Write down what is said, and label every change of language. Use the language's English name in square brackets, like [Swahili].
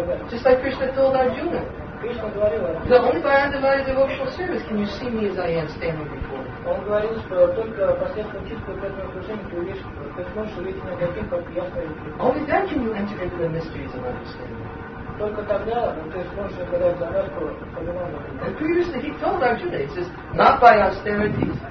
[English] Just like Krishna told Arjuna, so only by undivided devotional service can you see me as I am standing before. [Russian] Он говорил, что только посредством чистого преданного служения ты увидишь, ты сможешь увидеть меня таким, как я стою. [English] Only then can you enter into the mysteries of understanding. [Russian] Только тогда ты сможешь угадать загадку понимания. [English] And previously he told Arjuna, he says, not by austerities.